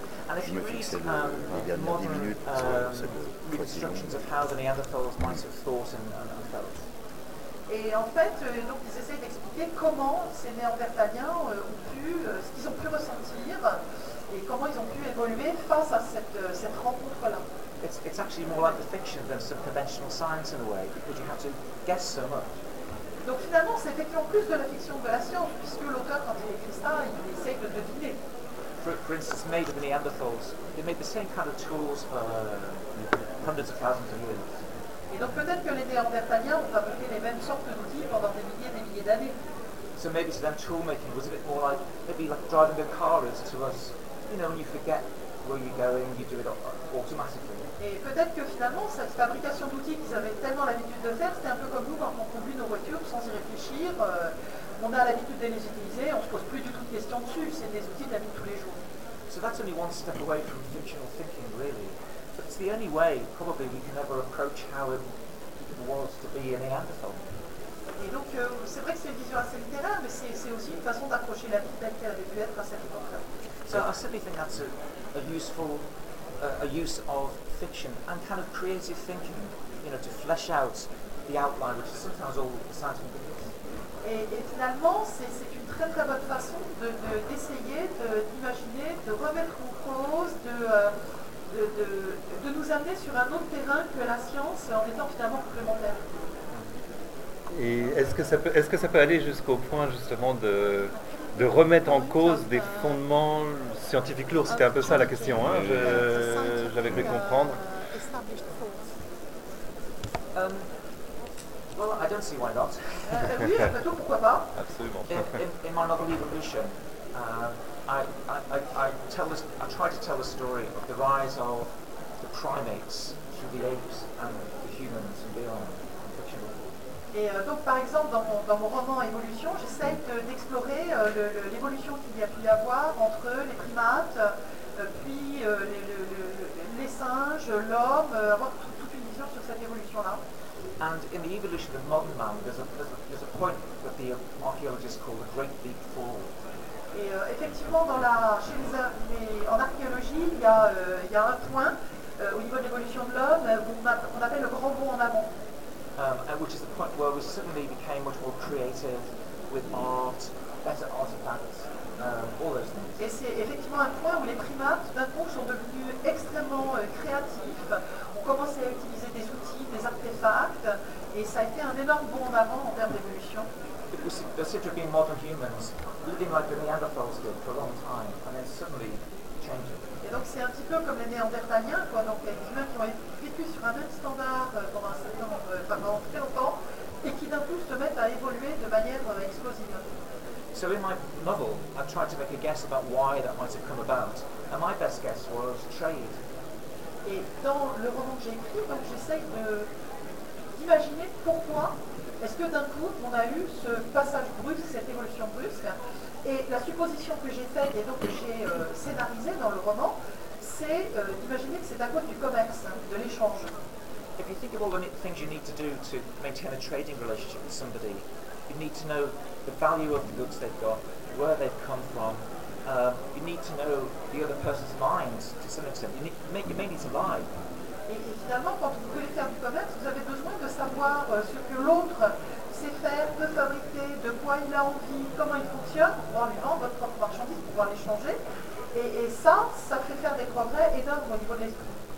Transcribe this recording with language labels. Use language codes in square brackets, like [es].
[en] And if you read modern reconstructions of how the Neanderthals might have thought and felt. [fr] Et en fait, donc ils essayent d'expliquer comment ces Néandertaliens ont pu, ce qu'ils ont pu ressentir, et comment ils ont pu évoluer face à cette rencontre-là. [en] It's actually more like the fiction than some conventional science in a way, because you have to guess so much. [fr] Donc finalement, c'est effectivement plus de la fiction que de la science, puisque l'auteur, quand il écrit ça, il essaye de deviner. [en] For instance, made of the Neanderthals, they made the same kind of tools for hundreds of thousands of years. [fr] Et donc peut-être que les Néandertaliens ont fabriqué les mêmes sortes d'outils pendant des milliers d'années. [en] So maybe to them tool making was a bit more like maybe like driving a car is to us. You know, when you forget where you're going, you do it automatically. [fr] Et peut-être que finalement, cette fabrication d'outils qu'ils avaient tellement l'habitude de faire, c'était un peu comme nous quand on conduit nos voitures sans y réfléchir. On a l'habitude de les utiliser, on ne se pose plus du tout de questions dessus. C'est des outils de la vie de tous les jours. [en] So that's only one step away from functional thinking, really. But it's the only way, probably, we can ever approach how it was to be a Neanderthal. [fr] Et donc, c'est vrai que c'est une vision assez littéraire, mais c'est aussi une façon d'approcher la vie telle qu'elle avait pu être à cette époque-là. [en] So I certainly think that's a use of fiction and kind of creative thinking, you know, to flesh out the outline, which is sometimes all the science and business. [fr] Et finalement, c'est une très très bonne façon d'essayer d'imaginer, de remettre en cause, de nous amener sur un autre terrain que la science en étant finalement complémentaire. Et est-ce que ça peut aller jusqu'au point justement de remettre en cause des fondements scientifiques lourds? C'était un peu ça la question, hein, j'avais cru comprendre. [en] Well, I don't see why not. In my novel Evolution, I try to tell the story of the rise of the primates through the apes and the humans and beyond. [fr] Et donc, par exemple, dans mon roman Évolution, j'essaie d'explorer l'évolution qu'il y a pu y avoir entre les primates, puis les singes, l'homme, avoir toute une vision sur cette évolution-là. [en] And in the evolution of modern man, there's a point that the archaeologists call the Great Leap Forward. [fr] Et effectivement, en archéologie, il y a un point au niveau de l'évolution de l'homme qu'on appelle le grand bond en avant. [en] Which is the point where we suddenly became much more creative with art, better artifacts, all those things. [fr] Et c'est effectivement un point où les primates, d'un coup, sont devenus extrêmement créatifs. On commençait à utiliser des outils, des artefacts, et ça a été un énorme bond en avant en termes d'évolution. [en] There seemed to have been modern humans living like the Neanderthals did for a long time, and then suddenly changing. [fr] Et donc c'est un petit peu comme les Néandertaliens, quoi. Donc les humains qui ont vécu sur un même standard pendant un certain temps, pendant très longtemps, et qui d'un coup se mettent à évoluer de manière explosive. [en] So in my novel, I tried to make a guess about why that might have come about, and my best guess was trade. [fr] Et dans le roman que j'ai écrit, donc j'essaye d'imaginer pourquoi est-ce que d'un coup on a eu ce passage brusque, cette évolution brusque. Et la supposition que j'ai faite et donc que j'ai scénarisée dans le roman, c'est d'imaginer que c'est à cause du commerce, hein, de l'échange. [en] If you think of all the things you need to do to maintain a trading relationship with somebody, you need to know the value of the goods they've got, where they've come from. You need to know the other person's mind to some extent. You may need to lie. [fr] Et finalement, quand vous voulez faire du commerce, vous avez besoin de savoir ce que l'autre sait faire, peut fabriquer, de quoi il a envie, comment il fonctionne, pour pouvoir lui vendre votre propre marchandise, pour pouvoir l'échanger. Et ça fait faire des progrès énormes au niveau de l'esprit.